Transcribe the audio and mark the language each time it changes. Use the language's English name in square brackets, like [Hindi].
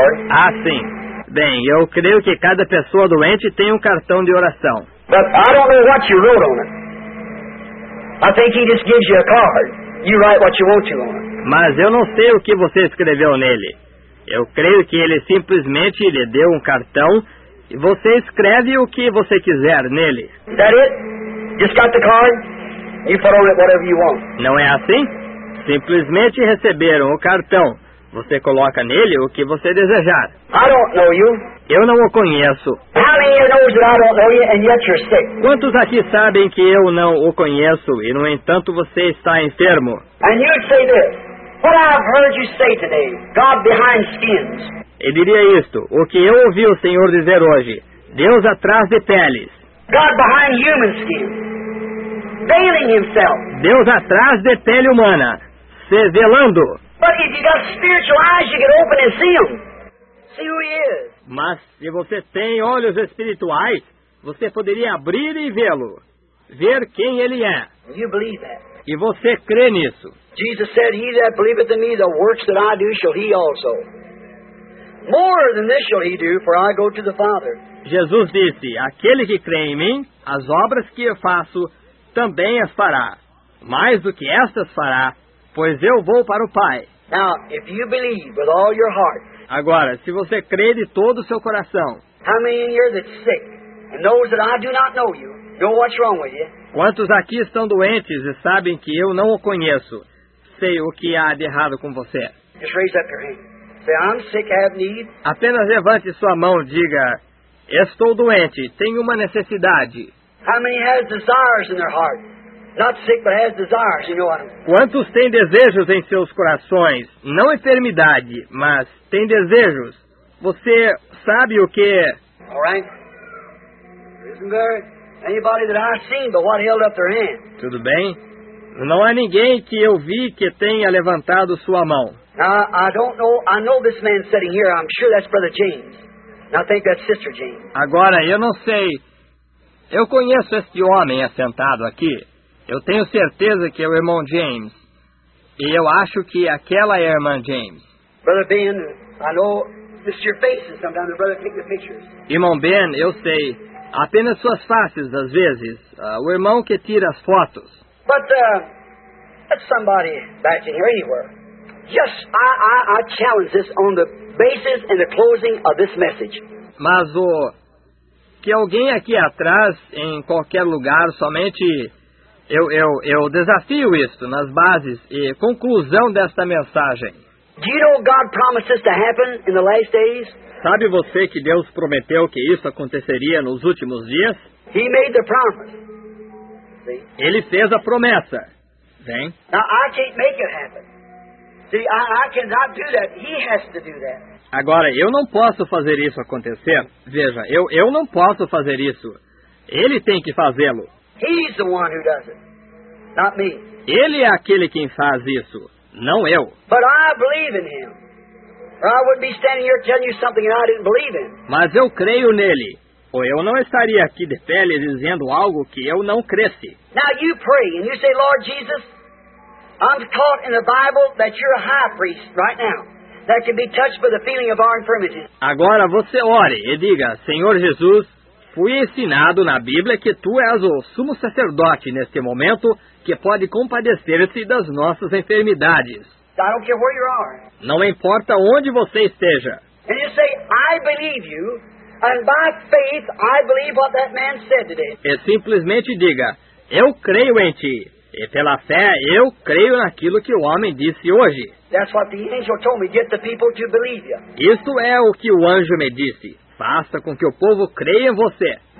[Portuguese] Ah, sim. Bem, eu creio que cada pessoa doente tem um cartão de oração. [English] But I don't know what you wrote on it. I think he just gives you a card. You write what you want to on it. [Portuguese] Mas eu não sei o que você escreveu nele. Eu creio que ele simplesmente lhe deu um cartão e você escreve o que você quiser nele. [English] Is that it? Just got the card? You put on it whatever you want. [Portuguese] Não é assim? Simplesmente receberam o cartão. Você coloca nele o que você desejar. [English] I don't know you. [Portuguese] Eu não o conheço. [English] How many of you know that I don't know you and yet you're sick? [Portuguese] Quantos aqui sabem que eu não o conheço e, no entanto, você está enfermo? [English] And you'd say this. What I've heard you say today, God behind skins. [Portuguese] Eu diria isto. O que eu ouvi o Senhor dizer hoje. Deus atrás de peles. [English] God behind human skin. Veiling himself. [Portuguese] Deus atrás de pele humana. Se velando. [English] But if you got spiritual eyes, you can open and see him. See who he is. [Portuguese] Mas se você tem olhos espirituais, você poderia abrir e vê-lo. Ver quem ele é. [English] You believe that. [Portuguese] E você crê nisso. [English] Jesus said, he that believeth in me, the works that I do shall he also. More than this shall he do, for I go to the Father. [Portuguese] Jesus disse, aquele que crê em mim, as obras que eu faço, também as fará. Mais do que estas fará, pois eu vou para o Pai. [English] Now, if you believe with all your heart, [Portuguese] agora, se você crê de todo o seu coração, [English] how many in here that's sick and knows that I do not know you, know what's wrong with you? [Portuguese] Quantos aqui estão doentes e sabem que eu não o conheço? Sei o que há de errado com você. [English] Just raise up your hand. Say, I'm sick, I have need. [Portuguese] Apenas levante sua mão e diga, estou doente, tenho uma necessidade. [English] How many has desires in their heart? Not sick, but has desires, you know what I mean. [Portuguese] Quantos têm desejos em seus corações? Não enfermidade, mas têm desejos. Você sabe o que? [English] All right. Isn't there anybody that I've seen but what held up their hand? [Portuguese] Tudo bem. Não há ninguém que eu vi que tenha levantado sua mão. [English] Now, I don't know. I know this man sitting here. I'm sure that's Brother James. And I think that's Sister James. [Portuguese] Agora, eu não sei. Eu conheço este homem assentado aqui. Eu tenho certeza que é o irmão James. E eu acho que aquela é a irmã James. [English] Brother Ben, I know this is your face and sometimes the brother take the pictures. [Portuguese] Irmão Ben, eu sei. Apenas suas faces, às vezes. O irmão que tira as fotos. [English] But that's somebody back in here anywhere. Just I challenge this on the basis and the closing of this message. [Portuguese] Mas que alguém aqui atrás, em qualquer lugar, somente. Eu desafio isto nas bases e conclusão desta mensagem. [English] Do you know God promises to happen in the last days? [Portuguese] Sabe você que Deus prometeu que isso aconteceria nos últimos dias? [English] He made the promise. See? [Portuguese] Ele fez a promessa. Vem. [English] Now, I can't make it happen. See, I cannot do that. He has to do that. [Portuguese] Agora, eu não posso fazer isso acontecer. Veja, eu não posso fazer isso. Ele tem que fazê-lo. [English] He's the one who does it, not me. [Portuguese] Ele é aquele quem faz isso, não eu. [English] But I believe in him. Or I would be standing here telling you something that I didn't believe in. [Portuguese] Mas eu creio nele. Ou eu não estaria aqui de pé lhe dizendo algo que eu não cresse. [English] Now you pray and you say, Lord Jesus, I'm taught in the Bible that you're a high priest right now. That can be touched by the feeling of our infirmities. [Portuguese] Agora você ore e diga, Senhor Jesus, fui ensinado na Bíblia que tu és o sumo sacerdote neste momento que pode compadecer-se das nossas enfermidades. [English] I don't care where you are. [Portuguese] Não importa onde você esteja. [English] And you say, I believe you, and by faith I believe what that man said today. [Portuguese] E simplesmente diga, eu creio em ti, e pela fé eu creio naquilo que o homem disse hoje. [English] That's what the angel told me, get the people to believe you. [Portuguese] Isto é o que o anjo me disse. Faça com que o povo creia em você.